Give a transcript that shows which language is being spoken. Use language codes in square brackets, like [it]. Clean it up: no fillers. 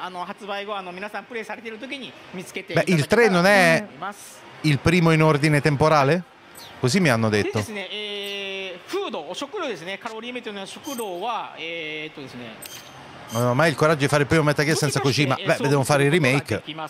[ja] タイトルとかですね、このカロリーメイトの種類のように、レガシースタイルとニュースタイルで少し変化するところがありますので、発売後皆さんプレイされてる時に見つけて。 [it] Beh, il 3 non è il primo in ordine temporale? Così mi hanno detto. [ja] Food, 食料ですね。カロリーメイトの食料は、えっとですね。 [it] Non ho mai il coraggio di fare il primo Metal Gear senza Kojima. Beh, devono fare il remake.